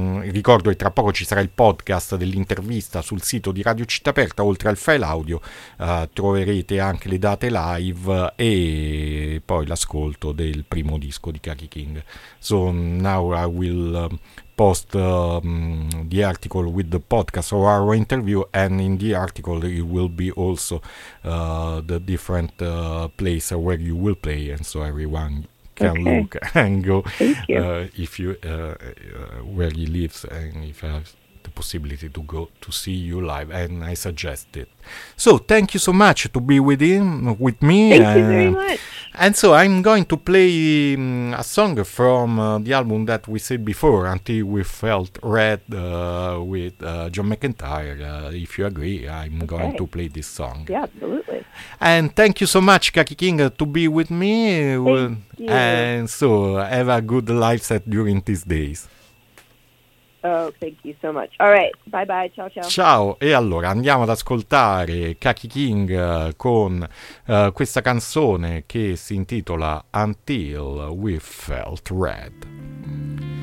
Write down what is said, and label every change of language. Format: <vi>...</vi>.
<it>Ricordo che tra poco ci sarà il podcast dell'intervista sul sito di Radio Città Aperta, oltre al file audio troverete anche le date live e poi l'ascolto del primo disco di Kaki King.</it> <en>So now I will post the article with the podcast of our interview, and in the article it will be also the different place where you will play, and so everyone can okay. look and go Thank you. If you where he lives and if I have the possibility to go to see you live, and I suggest it. So thank you so much to be with him, with me. Thank you very much. And so I'm going to play a song from the album that we said before, Until We Felt Red, with John McEntire. If you agree, I'm okay. going to play this song. Yeah, absolutely. And thank you so much, Kaki King, to be with me. Thank you. And so have a good live set during these days. Oh, thank you so much. All right, bye bye, ciao ciao.</en> <it>Ciao, e allora andiamo ad ascoltare Kaki King con questa canzone che si intitola Until We Felt Red.</it>